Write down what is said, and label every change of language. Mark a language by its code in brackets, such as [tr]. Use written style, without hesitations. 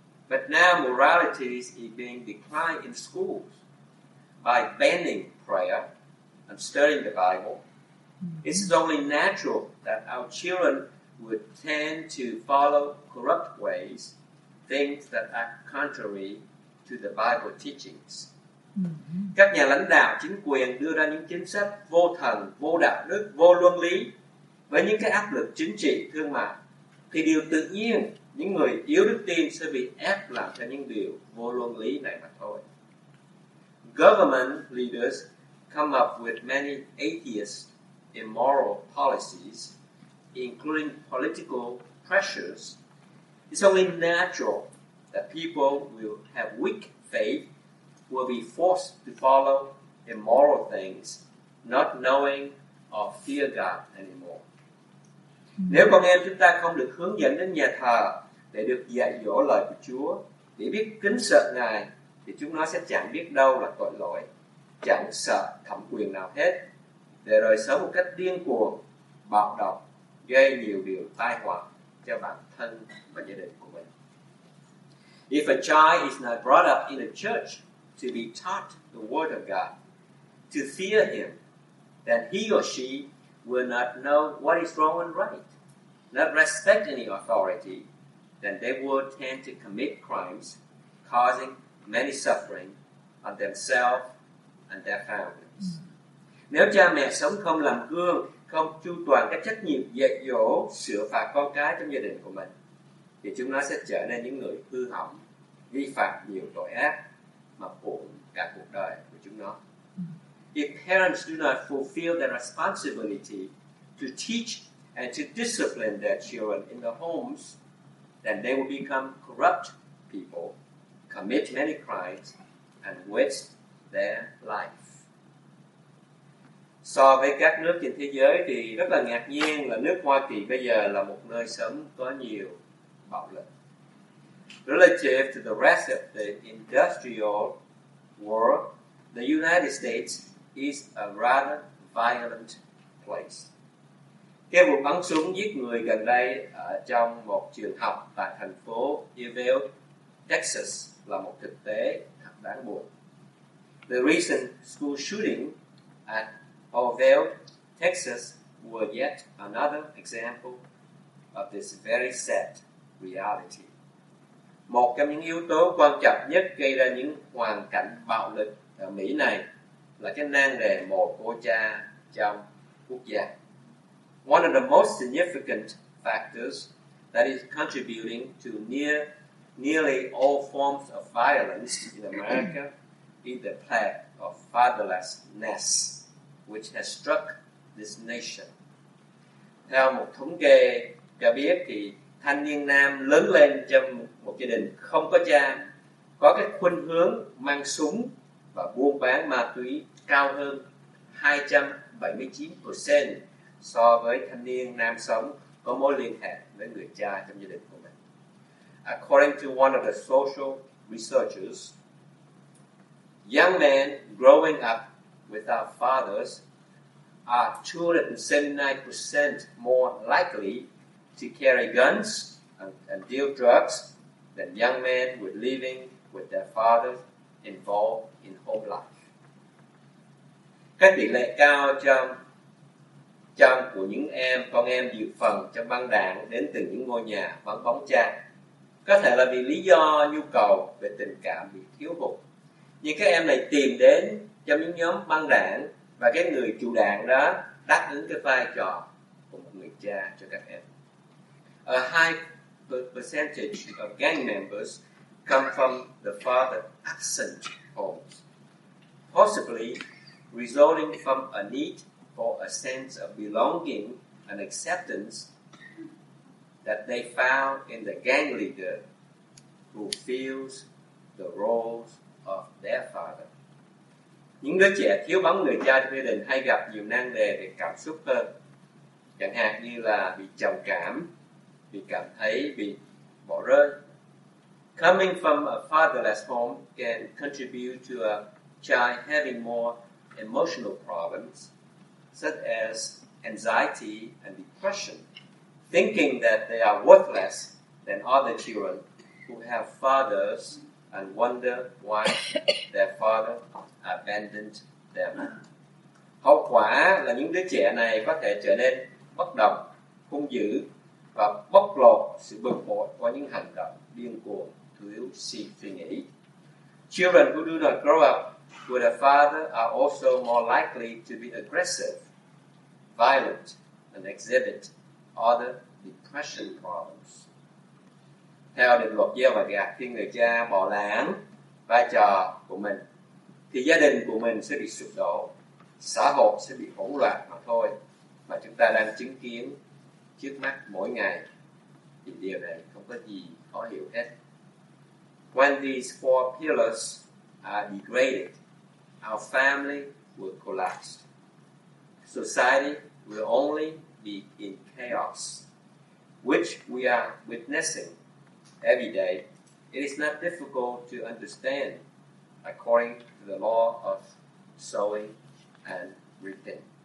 [en] But now morality is being declined in schools by banning prayer and studying the Bible. It is only natural that our children would tend to follow corrupt ways, things that are contrary to the Bible teachings. [vi] Các nhà lãnh đạo, chính quyền đưa ra những chính sách vô thần, vô đạo đức, vô luân lý với những cái áp lực chính trị, thương mại, thì điều tự nhiên những người yếu đức tin sẽ bị ép làm theo những điều vô luân lý này mà thôi. [en] Government leaders come up with many atheist immoral policies, including political pressures. It's only natural that people will have weak faith, will be forced to follow immoral things, not knowing or fear God anymore. [vi] Nếu con em chúng ta không được hướng dẫn đến nhà thờ để được dạy dỗ lời của Chúa, để biết kính sợ Ngài, thì chúng nó sẽ chẳng biết đâu là tội lỗi, chẳng sợ thẩm quyền nào hết, để rồi sống một cách điên cuồng, bạo động, gây nhiều điều tai họa cho bản thân và gia đình của mình. [en] If a child is not brought up in a church to be taught the word of God, to fear him, then he or she will not know what is wrong and right, not respect any authority, then they will tend to commit crimes, causing many suffering on themselves and their families. [vi] Nếu cha mẹ sống không làm gương, không chu toàn các trách nhiệm dạy dỗ, sửa phạt con cái trong gia đình của mình, thì chúng nó sẽ trở nên những người hư hỏng, vi phạm nhiều tội ác mà buồn cả cuộc đời của chúng nó. [en] If parents do not fulfill their responsibility to teach and to discipline their children in the homes, then they will become corrupt people, commit many crimes, and waste their life. [vi] So với các nước trên thế giới thì rất là ngạc nhiên là nước Hoa Kỳ bây giờ là một nơi sống có nhiều bạo lực. [en] Relative to the rest of the industrial world, the United States is a rather violent place. [vi] Cái vụ bắn súng giết người gần đây ở trong một trường học tại thành phố Uvalde, Texas là một thực tế thật đáng buồn. [en] The recent school shooting at Uvalde, Texas were yet another example of this very sad reality. [vi] Một trong những yếu tố quan trọng nhất gây ra những hoàn cảnh bạo lực ở Mỹ này là cái nan đề mồ côi cha trong quốc gia. [en] One of the most significant factors that is contributing to nearly all forms of violence in America is the plague of fatherlessness, which has struck this nation. [vi] Theo một thống kê cho biết thì thanh niên nam lớn lên trong một gia đình không có cha có cái khuynh hướng mang súng và buôn bán ma túy cao hơn 279% so với thanh niên nam sống có mối liên hệ với người cha trong gia đình của mình. [en] According to one of the social researchers, young men growing up without fathers are 279% more likely to carry guns and deal drugs than young men with living with their fathers involved in home life. [vi] Cái tỷ lệ cao trong của những em, con em dự phần trong băng đảng đến từ những ngôi nhà vắng bóng cha có thể là vì lý do nhu cầu về tình cảm bị thiếu hụt. Nhưng các em này tìm đến trong những nhóm băng đảng và cái người chủ đảng đó đáp ứng cái vai trò của một người cha cho các em. [en] A high percentage of gang members come from the father absent homes, possibly resulting from a need for a sense of belonging and acceptance that they found in the gang leader who fills the roles of their father. [vi] Những đứa trẻ thiếu bóng người cha trong gia đình hay gặp nhiều nan đề về cảm xúc hơn, chẳng hạn như là bị trầm cảm, bị cảm thấy bị bỏ rơi. [en] Coming from a fatherless home can contribute to a child having more emotional problems, such as anxiety and depression, thinking that they are worth less than other children who have fathers and wonder why their father abandoned them. [vi] Hậu quả là những đứa trẻ này có thể trở nên bất động, hung dữ và bộc lộ sự bực bội qua những hành động điên cuồng, thiếu suy nghĩ. [en] Children who do not grow up with a father are also more likely to be aggressive, violent, and exhibit other depression problems. [vi] Theo định luật gieo và gạt, khi người cha bỏ lãng vai trò của mình, thì gia đình của mình sẽ bị sụp đổ, xã hội sẽ bị hỗn loạn mà thôi, mà chúng ta đang chứng kiến trước mắt mỗi ngày. Thì điều này không có gì khó hiểu hết. [en] When these four pillars are degraded, our family will collapse. Society will only be in chaos, which we are witnessing every day. It is not difficult to understand according to the law of sowing and reaping.